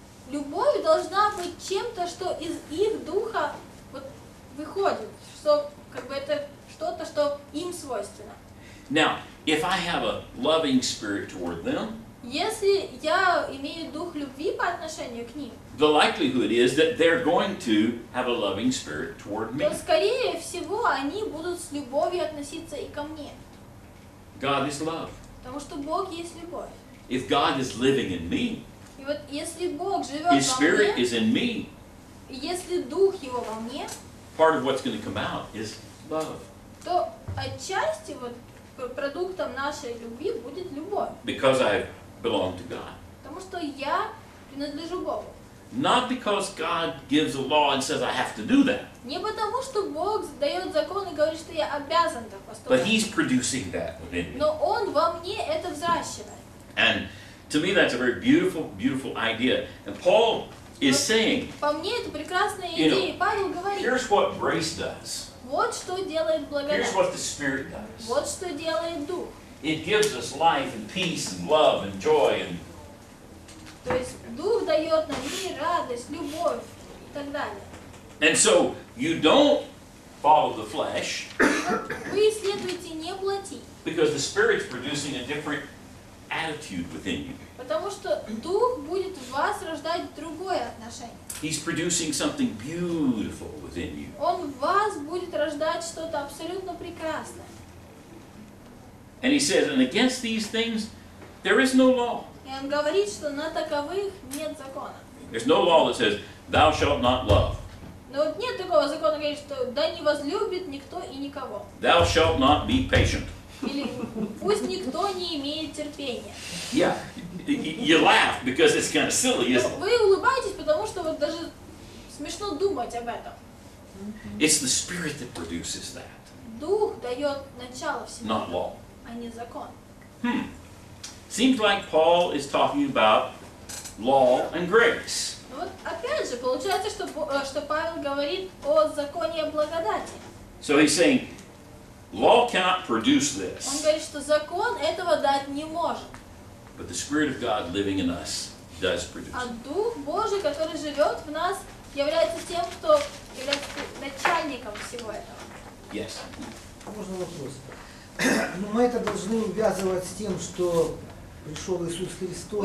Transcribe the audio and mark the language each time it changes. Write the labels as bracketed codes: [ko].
[ru] Любовь должна быть чем-то, что из их духа вот выходит, что как бы это что-то, что им свойственно. [en] Now, if I have a loving spirit toward them, [ru] если я имею дух любви по отношению к ним, [en] the likelihood is that they're going to have a loving spirit toward me. [ru] То скорее всего, они будут с любовью относиться и ко мне. [en] God is love. [ru] Потому что Бог есть любовь. [en] If God is living in me, [ru] и вот если Бог живет во мне, [en] His Spirit is in me, [ru] если Дух Его во мне, [en] part of what's going to come out is love. [ru] То отчасти вот продуктом нашей любви будет любовь. [en] Because I belong to God. [ru] Потому что я принадлежу Богу. [en] Not because God gives a law and says I have to do that. [ru] Не потому, что Бог дает закон и говорит, что я обязан так поступать. [en] But He's producing that within me. [ru] Но Он во мне это взращивает. [en] And to me, that's a very beautiful, beautiful idea. And Paul is saying, [ru] по мне это прекрасная идея. И Павел говорит, [en] here's what grace does. [ru] Вот что делает благодать. [en] Here's what the Spirit does. [ru] Вот что делает Дух. [en] It gives us life and peace and love and joy and. [ru] То есть Дух дает нам мир, радость, любовь и так далее. [en] And so you don't follow the flesh. [ru] Вы следуете не плоти. [en] Because the Spirit's producing a different attitude within you. [ru] Потому что Дух будет в вас рождать другое отношение. [en] He's producing something beautiful within you. [ru] Он в вас будет рождать что-то абсолютно прекрасное. [en] And he says, and against these things there is no law. [ru] И он говорит, что на таковых нет закона. [en] There's no law that says thou shalt not love. [ru] Но вот нет такого закона, говорит, что да не возлюбит никто и никого. [en] Thou shalt not be patient. [ru] Или пусть никто не имеет терпения. [en] Yeah. You laugh because it's kind of silly, isn't it? [ru] Вы улыбаетесь, потому что вот даже смешно думать об этом. [en] It's the Spirit that produces that. [ru] Дух дает начало всему. [en] Not law. [ru] А не закон. Hmm. [en] Seems like Paul is talking about law and grace. [ru] Вот опять же получается, что Павел говорит о законе и благодати. [en] So he's saying law cannot produce this. [ru] Он говорит, что закон этого дать не может. [en] But the Spirit of God living in us does produce. [ru] А Дух Божий, который живет в нас, является тем, кто является начальником всего этого. [en] Yes. [ru] Можно вопрос? Ну, мы это должны увязывать с тем, что пришел Иисус Христос.